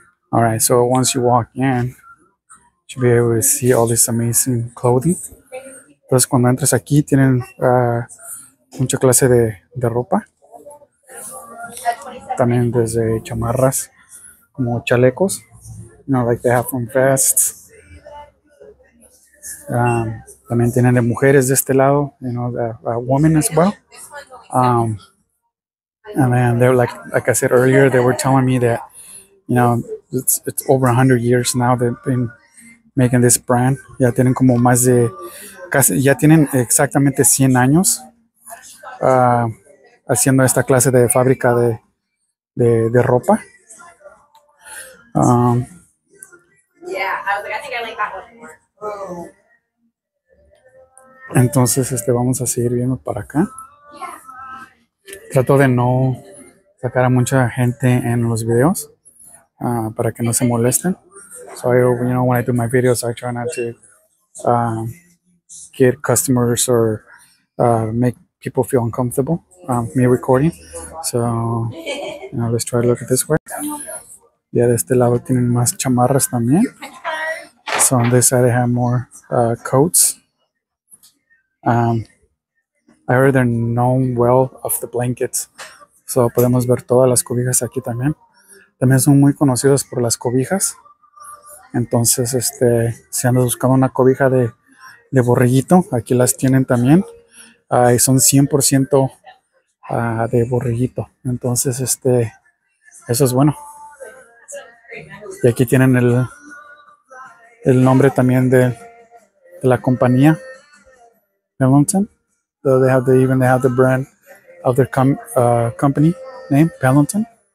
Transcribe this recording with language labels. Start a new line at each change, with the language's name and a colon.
English: All right, so once you walk in, you should be able to see all this amazing clothing.
Spanish: Entonces, cuando entras aquí, tienen mucha clase de ropa. También desde chamarras, como chalecos.
English: You know, like they have from vests.
Spanish: También tienen de mujeres de este lado,
English: you know, the women as well. And then they're like I said earlier, they were telling me that, you know, it's over 100 years now they've been making this brand.
Spanish: Ya tienen como más de casi, ya tienen exactamente 100 años haciendo esta clase de fábrica de ropa. Entonces vamos a seguir viendo para acá. Trato de no sacar a mucha gente en los videos. Para que no se molesten.
English: So I, you know, when I do my videos, I try not to get customers or make people feel uncomfortable me recording. So, you know, let's try to look at this way.
Spanish: Yeah, de este lado tienen más chamarras también.
English: So on this side they have more coats. I heard they're known well of the blankets.
Spanish: So podemos ver todas las cobijas aquí también. También son muy conocidos por las cobijas. Entonces, si andas buscando una cobija de borreguito, aquí las tienen también. Y son 100% de borreguito. Entonces, eso es bueno. Y aquí tienen el nombre también de la compañía. Pendleton.
English: So they have the brand of their company name, Pendleton.